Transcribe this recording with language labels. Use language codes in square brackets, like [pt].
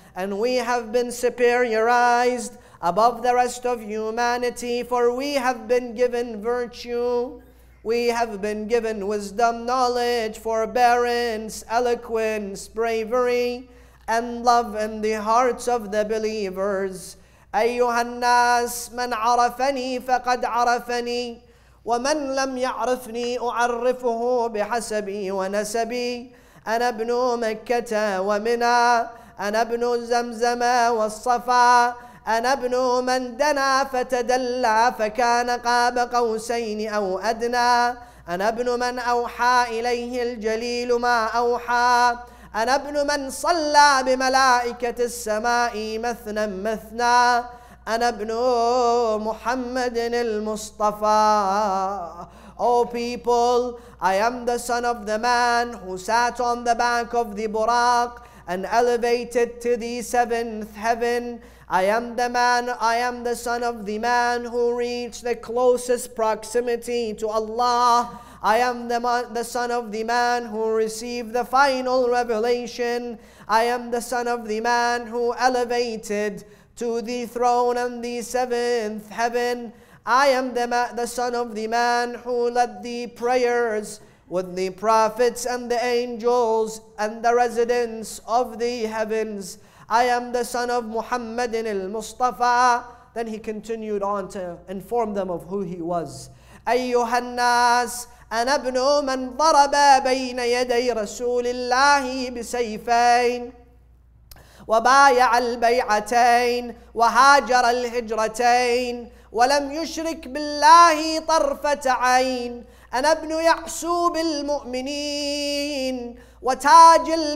[en] And we have been superiorized above the rest of humanity, for we have been given virtue, we have been given wisdom, knowledge, forbearance, eloquence, bravery, and love in the hearts of the believers. [ar] أيها الناس من عرفني فقد عرفني ومن لم يعرفني أعرفه بحسبي ونسبي. أنا ابن مكة ومنى, أنا ابن زمزم والصفا, أنا ابن من دنا فتدلى فكان قاب قوسين أو أدنى. أنا ابن من أوحى إليه الجليل ما أوحى, أنا ابن من صلى بملائكة السماء مثنى مثنى, أنا ابن محمد المصطفى. [en] O people, I am the son of the man who sat on the bank of the Buraq and elevated to the 7th heaven, I am the man, I am the son of the man who reached the closest proximity to Allah. I am the son of the man who received the final revelation. I am the son of the man who elevated to the throne and the seventh heaven. I am the son of the man who led the prayers with the prophets and the angels and the residents of the heavens. I am the son of Muhammadin al-Mustafa. Then he continued on to inform them of who he was. [ar] Ayyuha an-nas, ana ibnu man daraba bayna yaday rasulillahi bisayfayn وبايع البيعتين وهاجر الهجرتين ولم يشرك بالله طرفة عين أنا ابن يعسوب المؤمنين وتاج